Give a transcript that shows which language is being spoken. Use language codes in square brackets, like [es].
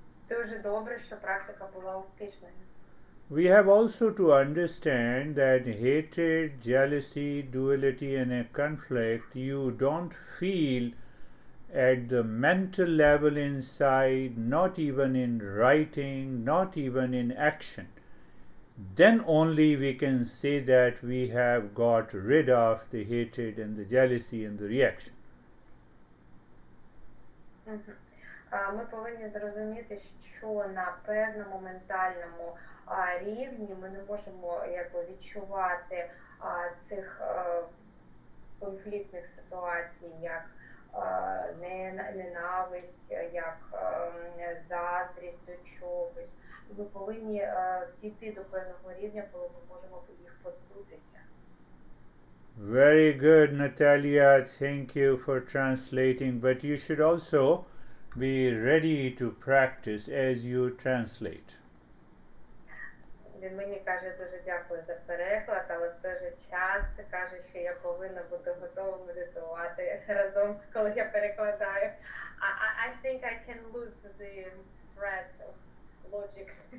[uk] Дуже добре, що практика була успішною. [en] We have also to understand that hatred, jealousy, duality and a conflict, you don't feel at the mental level inside, not even in writing, not even in action. Then only we can say that we have got rid of the hatred and the jealousy and the reaction. [uk] Ми повинні зрозуміти, що на певному ментальному рівні ми не можемо відчувати цих конфліктних ситуацій як ненависть, як заздрість до чогось. Ми повинні дійти до певного рівня, коли ми можемо їх позбутися. [en] Very good, Natalia. Thank you for translating. But you should also be ready to practice as you translate. [uk] Він мені каже дуже дякую за переклад, але в той же час каже, що я повинна бути готова медитувати разом, коли я перекладаю. [en] I think I can lose the thread of logics.